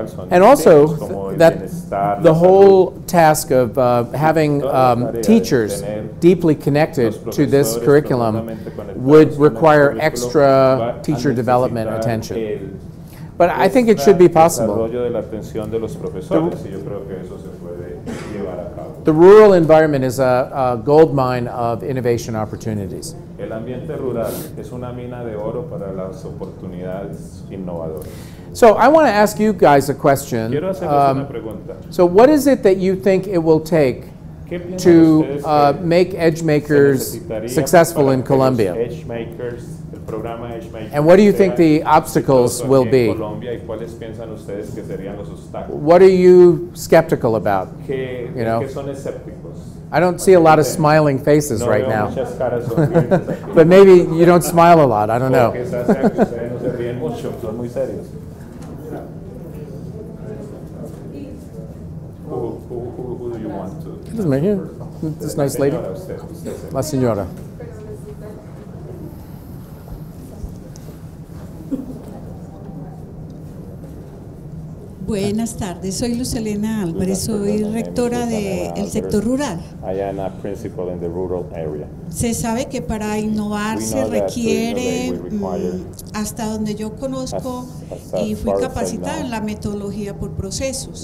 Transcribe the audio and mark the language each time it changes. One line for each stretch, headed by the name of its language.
English: And also that the whole task of having teachers deeply connected to this curriculum would require extra teacher development attention. But I think it should be possible. The rural environment is a gold mine of innovation opportunities.
Spanish: El ambiente rural es una mina de oro para las oportunidades innovadoras.
English: So I want to ask you guys a question.
Spanish: Quiero hacerles una pregunta.
English: So what is it that you think it will take to make EdgeMakers successful in Colombia? And what do you think the obstacles will be? What are you skeptical about? You know? I don't see a lot of smiling faces right now. But maybe you don't smile a lot, I don't know. who do It doesn't matter. This nice lady.
Spanish: La señora. Buenas tardes, soy Luz Elena Álvarez, soy rectora del sector rural.
English: I am a principal in the rural area.
Spanish: Se sabe que para innovar se requiere, hasta donde yo conozco y fui capacitada en la metodología por procesos.